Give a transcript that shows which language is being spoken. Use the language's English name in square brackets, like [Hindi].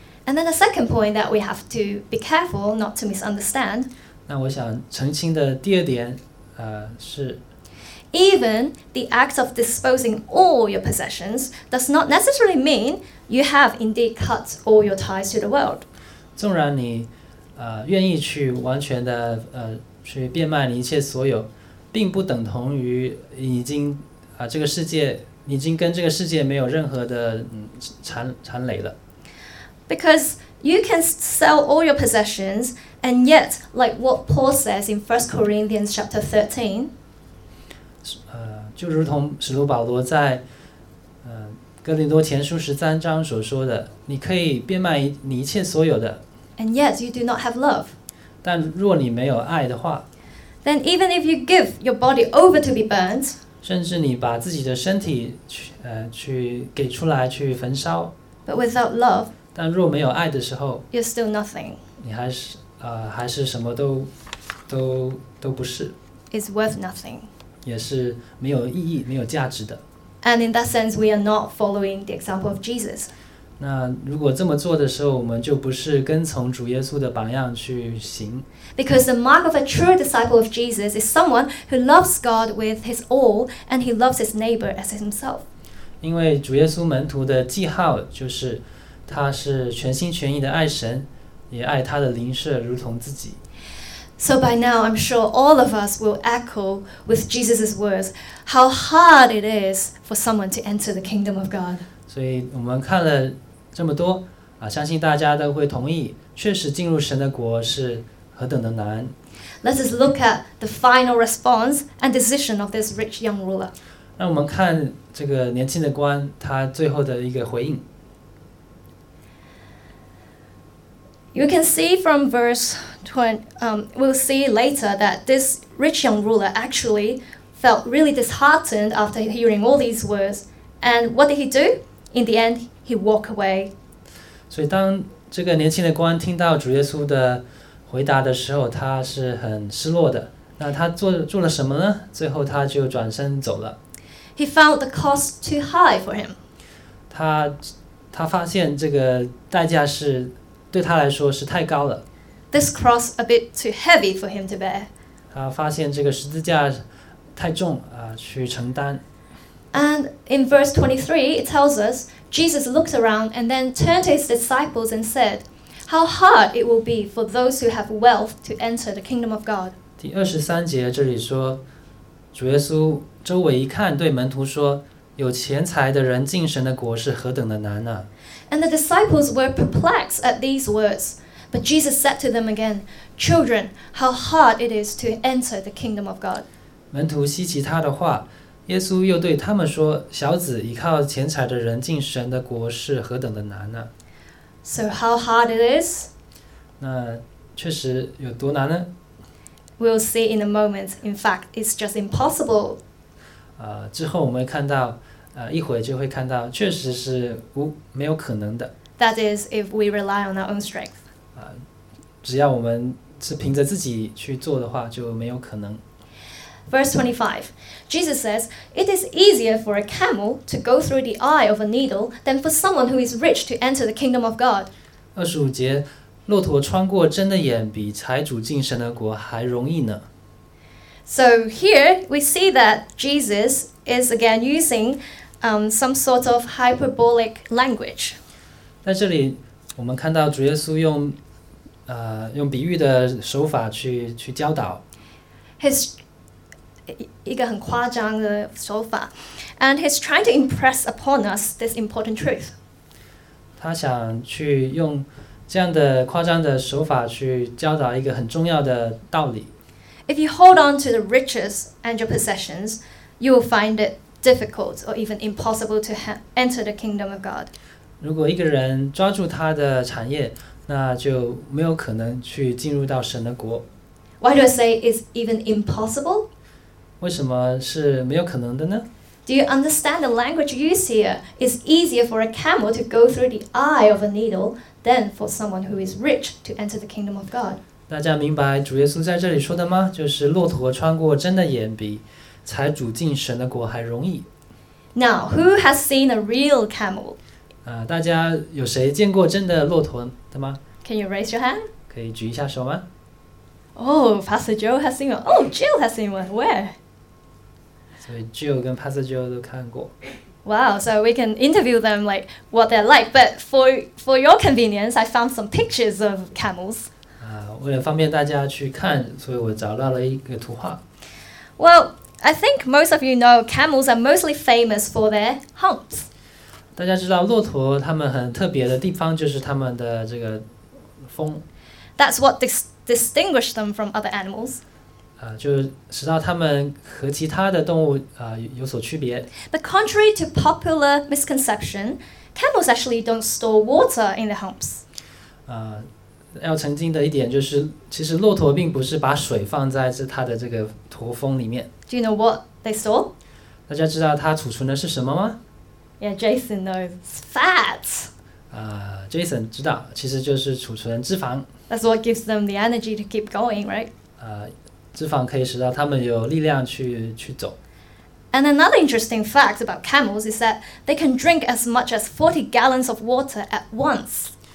[English] And then the second point that we have to be careful not to misunderstand. [Chinese] 那我想澄清的第二点是 [English] ，Even the act of disposing all your possessions does not necessarily mean you have indeed cut all your ties to the world. [Chinese] 纵然你愿意去完全的去变卖你一切所有，并不等同于已经这个世界已经跟这个世界没有任何的缠累了。 [English] Because you can sell all your possessions, and yet, like what Paul says in 1 Corinthians chapter 13, [Chinese] 就如同使徒保罗在哥林多前书13章所说的，你可以变卖你一切所有的。 [English] And yet you do not have love. [Chinese] 但若你没有爱的话， [English] Then even if you give your body over to be burnt, [Chinese] 甚至你把自己的身体 去给出来去焚烧， [English] But without love, [Chinese] 但若没有爱的时候， [English] You're still nothing. [Chinese] 你还是什么都不是， [English] It's worth nothing. [Chinese] 也是没有意义，没有价值的。 [English] And in that sense, we are not following the example of Jesus. [Chinese] 那如果这么做的时候，我们就不是跟从主耶稣的榜样去行。 [English] Because the mark of a true disciple of Jesus is someone who loves God with his all, and he loves his neighbor as himself. [Chinese] 因为主耶稣门徒的记号就是，他是全心全意的爱神，也爱他的邻舍如同自己。 [English] So by now, I'm sure all of us will echo with Jesus' words, how hard it is for someone to enter the kingdom of God. [Chinese] 所以我们看了这么多相信大家都会同意，确实进入神的国是何等的难。 [English] Let us look at the final response and decision of this rich young ruler. [Chinese] 让我们看这个年轻的官他最后的一个回应。 [English] You can see from verse 20, we'll see later that this rich young ruler actually felt really disheartened after hearing all these words. And what did he do? In the end, he walked away. [Chinese] 所以当这个年轻的官听到主耶稣的回答的时候，他是很失落的。那他做了什么呢？最后他就转身走了。 [English] He found the cost too high for him. [Chinese] 他发现这个代价是对他来说是太高了。 [English] This cross a bit too heavy for him to bear. [Chinese] 他发现这个十字架太重啊，去承担。 [English] And in verse 23, it tells us, Jesus looked around and then turned to his disciples and said, How hard it will be for those who have wealth to enter the kingdom of God. [Chinese] 第二十三节这里说，主耶稣周围一看，对门徒说，有钱财的人进神的国是何等的难啊。 [English] And the disciples were perplexed at these words. But Jesus said to them again, Children, how hard it is to enter the kingdom of God. [Chinese] 门徒稀奇他的话，耶稣又对他们说，小子，依靠钱财的人进神的国是何等的难啊。 [English] So how hard it is? [Chinese] 那确实有多难呢？ [English] We'll see in a moment. In fact, it's just impossible. [Chinese] 之后我们看到一会就会看到确实是没有可能的。 [English] That is if we rely on our own strength. [Chinese] 只要我们是凭着自己去做的话就没有可能。 [English] Verse 25, Jesus says, It is easier for a camel to go through the eye of a needle than for someone who is rich to enter the kingdom of God. [Chinese] 25节，骆驼穿过针的眼比财主进神的国还容易呢。 [English] So here we see that Jesus is again using some sort of hyperbolic language. [Chinese] 在这里我们看到主耶稣用比喻的手法去教导。 [English] His [Chinese] 一个很夸张的手法。 [English] And he's trying to impress upon us this important truth. [Chinese] 他想去用这样的夸张的手法去教导一个很重要的道理。 [English] If you hold on to the riches and your possessions, you will find it difficult or even impossible to enter the kingdom of God. [Chinese] 如果一个人抓住他的产业，那就没有可能去进入到神的国。 [English] Why do I say it's even impossible? [Chinese] 为什么是没有可能的呢？ [English] Do you understand the language used here? It's easier for a camel to go through the eye of a needle than for someone who is rich to enter the kingdom of God. [Chinese] 大家明白主耶稣在这里说的吗？就是骆驼穿过针的眼比财主进神的国还容易。 [English] Now, who has seen a real camel? [Chinese] 大家有谁见过真的骆驼的吗？ [English] Can you raise your hand? [Chinese] 可以举一下手吗？ [English] Oh, Pastor Joe has seen one. Oh, Jill has seen one. Where? [Chinese] 所以 Jill 跟 Pastor Joe 都看过。 [English] Wow, so we can interview them like what they're like. But for your convenience, I found some pictures of camels. [Chinese] 为了方便大家去看，所以我找到了一个图画。 [English] Well, I think most of you know camels are mostly famous for their humps. [Chinese] 大家知道骆驼他们很特别的地方就是他们的这个峰。 [English] That's what distinguish them from other animals. [Chinese] 就使到他们和其他的动物有所区别。 [English] But contrary to popular misconception, camels actually don't store water in their humps. [Chinese] 要澄清的一点就是，其实骆驼并不是把水放在它的这个驼峰里面。 [English] Do you know what they store? [Chinese] 大家知道它储存的是什么吗？ [English] Yeah, Jason knows. Fat! [Chinese] Jason 知道，其实就是储存脂肪。 [English] That's what gives them the energy to keep going, right? [Chinese] 脂肪可以使到它们有力量去走。 [English] And another interesting fact about camels is that they can drink as much as 40 gallons of water at once.